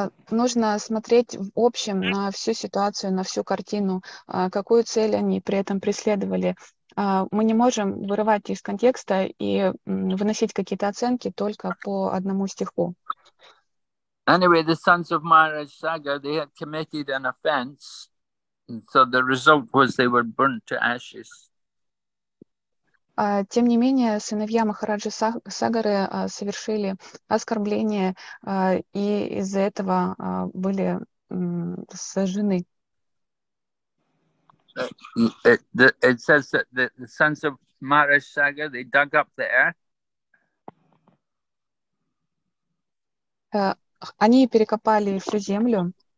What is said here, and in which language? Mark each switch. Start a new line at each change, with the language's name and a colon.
Russian: Нужно смотреть в общем на всю ситуацию, на всю картину, какую цель они при этом преследовали. Мы не можем вырывать из контекста и выносить какие-то оценки только по одному стиху.
English: Anyway, the sons of Maharaj Sagar, they had committed an offense, so the result was they were burnt to ashes.
Russian: Тем не менее, сыновья Махараджи Сагары совершили оскорбление, и из-за этого были сожжены.
English: It says that the sons of Maharaj Sagar, they dug up the earth.
Russian: Они перекопали всю землю.